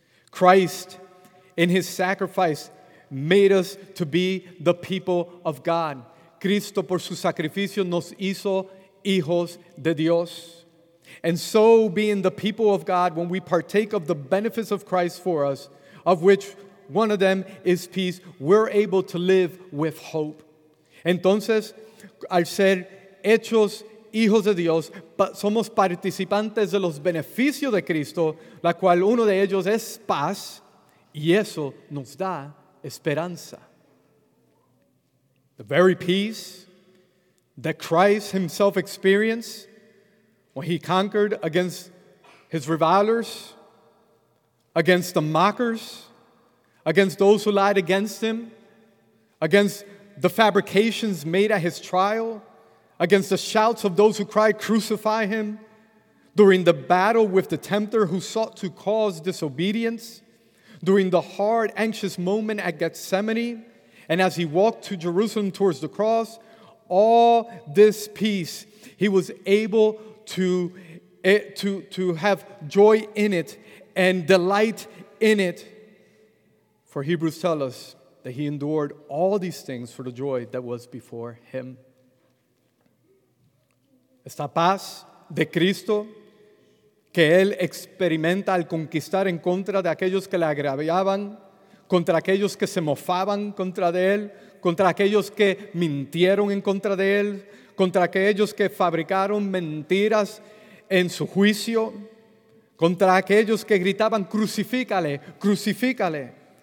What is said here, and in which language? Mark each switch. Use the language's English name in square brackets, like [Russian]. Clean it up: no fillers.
[English] Christ, in his sacrifice, made us to be the people of God. [Spanish] Cristo, por su sacrificio, nos hizo hijos de Dios. [English] And so, being the people of God, when we partake of the benefits of Christ for us, of which one of them is peace, we're able to live with hope. [Spanish] Entonces, al ser hechos hijos de Dios, somos participantes de los beneficios de Cristo, la cual uno de ellos es paz, y eso nos da esperanza. [English] The very peace that Christ himself experienced when he conquered against his revilers, against the mockers, against those who lied against him, against the fabrications made at his trial, against the shouts of those who cried, "Crucify him," during the battle with the tempter who sought to cause disobedience, during the hard, anxious moment at Gethsemane, and as he walked to Jerusalem towards the cross, all this peace, he was able to have joy in it and delight in it. For Hebrews tell us that he endured all these things for the joy that was before him. [Spanish] Esta paz de Cristo que él experimenta al conquistar en contra de aquellos que le agraviaban, contra aquellos que se mofaban contra de él, contra aquellos que mintieron en contra de él, contra aquellos que fabricaron mentiras en su juicio, contra aquellos que gritaban, crucifícale, crucifícale.